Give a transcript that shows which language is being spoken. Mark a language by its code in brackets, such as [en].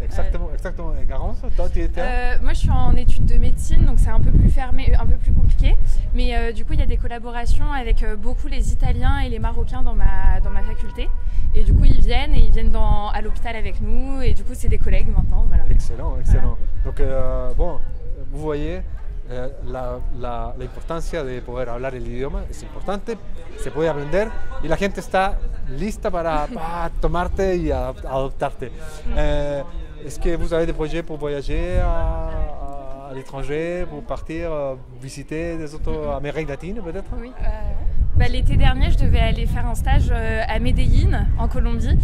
[fr] exactement, exactement. Et Garance, toi, tu étais... Moi je suis en études de médecine, donc c'est un peu plus fermé, un peu plus compliqué. Mais du coup il y a des collaborations avec beaucoup les Italiens et les Marocains dans ma faculté. Et du coup, ils viennent à l'hôpital avec nous, et du coup, c'est des collègues maintenant, voilà. [es] Excelente, [fr] Voilà. [es] excelente. [fr] Donc, bon, vous voyez, [es] la importancia de poder hablar el idioma es importante, se puede aprender y la gente está lista para tomarte y adoptarte. [fr] Es que vos avez des projets pour voyager à l'étranger, pour partir visiter des autres Amériques latines, peut-être? Oui. Bah, l'été dernier, je devais aller faire un stage à Medellín, en Colombie,